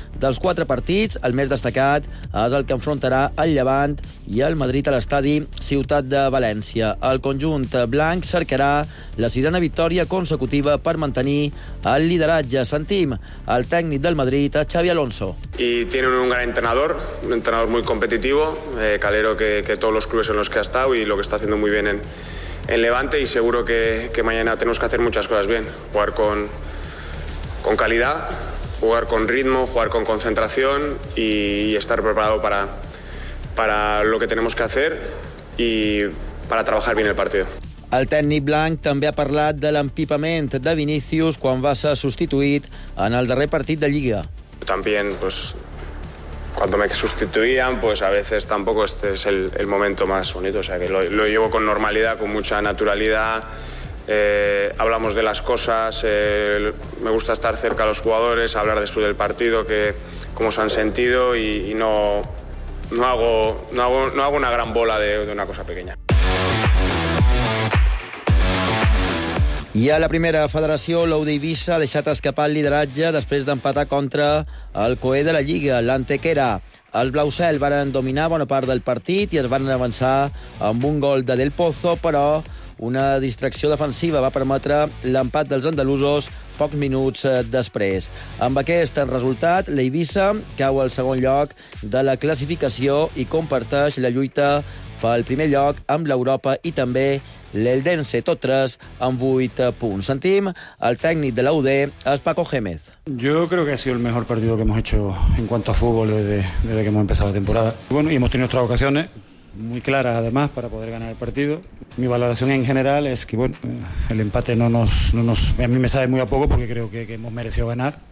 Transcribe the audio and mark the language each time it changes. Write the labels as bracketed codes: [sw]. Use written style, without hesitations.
[ca] Dels 4 partits, el més destacat és el que enfrontarà el Llevant i el Madrid a l'estadi Ciutat de València. El conjunt blanc cercarà la 6a victòria consecutiva per mantenir el lideratge. Sentim el tècnic del Madrid, Xavi Alonso. [es] Y tienen un gran entrenador. entrenador, un entrenador muy competitivo, Calero, que todos los clubes en los que ha estado y lo que está haciendo muy bien en Levante, y seguro que mañana tenemos que hacer muchas cosas bien, jugar con calidad, jugar con ritmo, jugar con concentración y estar preparado para lo que tenemos que hacer y para trabajar bien el partido. [ca] El tècnic blanc també ha parlat de l'empipament de Vinícius quan va ser substituït en el darrer partit de Lliga. [es] También, pues, cuando me sustituían, pues a veces tampoco este es el momento más bonito. O sea, que lo llevo con normalidad, con mucha naturalidad. Hablamos de las cosas. Me gusta estar cerca a los jugadores, hablar después del partido, cómo se han sentido y no hago una gran bola de una cosa pequeña. [ca] I a la primera federació, l'Audi Eivissa ha deixat escapar el lideratge després d'empatar contra el coer de la Lliga, l'Antequera. El Blau Cel varen dominar bona part del partit i es van avançar amb un gol de Del Pozo, però una distracció defensiva va permetre l'empat dels andalusos pocs minuts després. Amb aquest resultat, l'Eivissa cau al segon lloc de la classificació i comparteix la lluita pel primer lloc amb l'Europa i també l'Eldense, tot 3 amb 8 punts. Sentim el tècnic de la UD, Paco Gémez. [es] Yo creo que ha sido el mejor partido que hemos hecho en cuanto a fútbol desde que hemos empezado la temporada. Bueno, y hemos tenido otras ocasiones muy claras además para poder ganar el partido. Mi valoración en general es que, bueno, el empate no nos a mí me sabe muy a poco, porque creo que hemos merecido ganar.